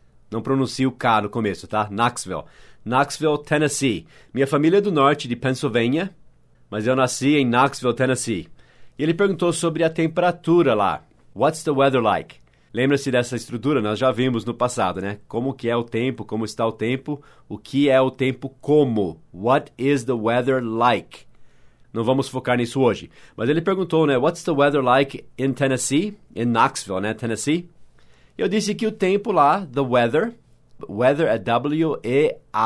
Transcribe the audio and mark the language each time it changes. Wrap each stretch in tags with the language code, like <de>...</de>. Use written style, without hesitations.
<pt>Não pronuncie o K no começo, tá? Knoxville. Knoxville, Tennessee. Minha família é do norte de Pensilvânia. Mas eu nasci em Knoxville, Tennessee. E ele perguntou sobre a temperatura lá.</pt> <en>What's the weather like?</en> <pt>Lembra-se dessa estrutura? Nós já vimos no passado, né? Como que é o tempo? Como está o tempo? O que é o tempo como?</pt> <en>What is the weather like?</en> <pt>Não vamos focar nisso hoje. Mas ele perguntou, né?</pt> <en>What's the weather like in Tennessee?</en> <pt>In Knoxville, né? Tennessee. E eu disse que o tempo lá,</pt> <en>the weather.</en> <pt>Weather é W-E-A-T-H-E-R.</pt>